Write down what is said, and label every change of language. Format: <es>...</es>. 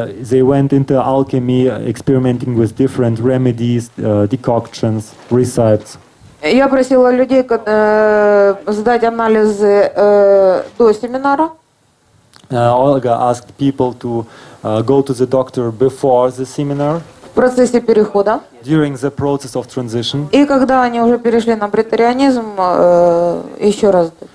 <en>They went into alchemy, experimenting with different remedies, decoctions, recipes.</en> <ru>Я просила людей сдать анализы до семинара.</ru> <en>Olga asked people to go to the doctor before the seminar.</en> <ru>В процессе перехода.</ru> <en>During the process of transition.</en> <ru>И когда они уже перешли на бретарианизм, еще раз.</ru>